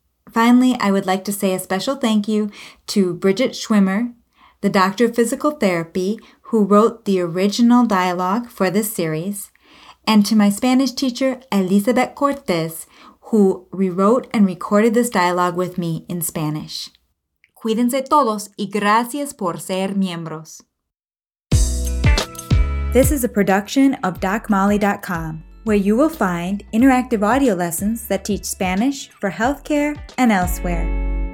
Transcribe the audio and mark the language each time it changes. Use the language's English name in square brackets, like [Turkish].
[English] Finally, I would like to say a special thank you to Bridget Schwimmer, the doctor of physical therapy who wrote the original dialogue for this series, and to my Spanish teacher, Elizabeth Cortez, who rewrote and recorded this dialogue with me in Spanish. [Spanish] Cuídense todos y gracias por ser miembros. [English] This is a production of DocMolly.com, where you will find interactive audio lessons that teach Spanish for healthcare and elsewhere.